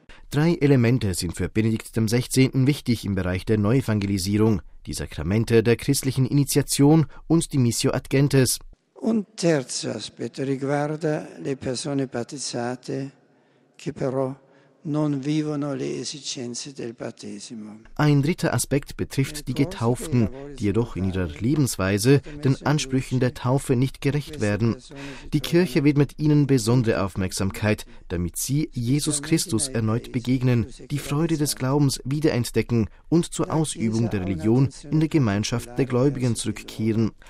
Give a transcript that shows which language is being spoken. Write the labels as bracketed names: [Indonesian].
[German] Drei Elemente sind für Benedikt XVI. Wichtig im Bereich der Neuevangelisierung: die Sakramente der christlichen Initiation und die Missio Adgentes. [Italian] Un terzo aspetto riguarda le persone battezzate, che però non vivono le esigenze del battesimo. [German] Ein dritter Aspekt betrifft die Getauften, die jedoch in ihrer Lebensweise den Ansprüchen der Taufe nicht gerecht werden. Die Kirche widmet ihnen besondere Aufmerksamkeit, damit sie Jesus Christus erneut begegnen, die Freude des Glaubens wiederentdecken und zur Ausübung der Religion in der Gemeinschaft der Gläubigen zurückkehren.